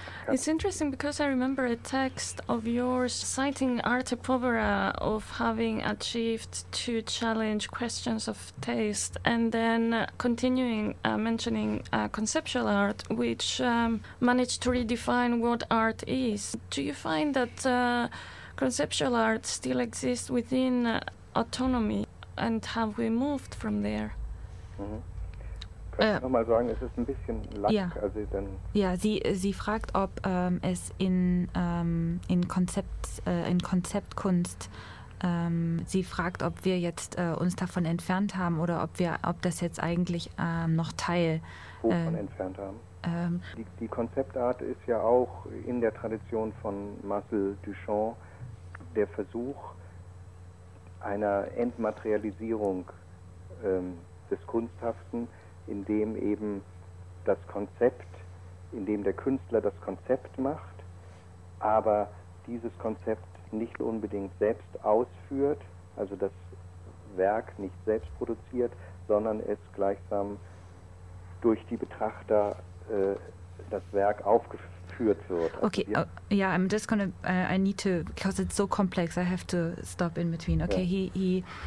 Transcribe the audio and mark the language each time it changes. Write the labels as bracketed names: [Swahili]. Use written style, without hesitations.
[English] It's interesting because I remember a text of yours citing Arte Povera of having achieved to challenge questions of taste and then continuing mentioning conceptual art, which managed to redefine what art is. Do you find that conceptual art still exists within autonomy, and have we moved from there? [German] Mm-hmm. Nochmal sagen, es ist ein bisschen lang. Ja, also dann ja, sie fragt, ob es in Konzeptkunst, sie fragt, ob wir jetzt uns davon entfernt haben oder ob das jetzt eigentlich noch Teil wovon entfernt haben. Die Konzeptart ist ja auch in der Tradition von Marcel Duchamp der Versuch einer Entmaterialisierung des Kunsthaften, in dem eben das Konzept, in dem der Künstler das Konzept macht, aber dieses Konzept nicht unbedingt selbst ausführt, also das Werk nicht selbst produziert, sondern es gleichsam durch die Betrachter das Werk aufgeführt wird. [English] Okay, also I'm just gonna, I need to, because it's so complex, I have to stop in between. Okay, yeah.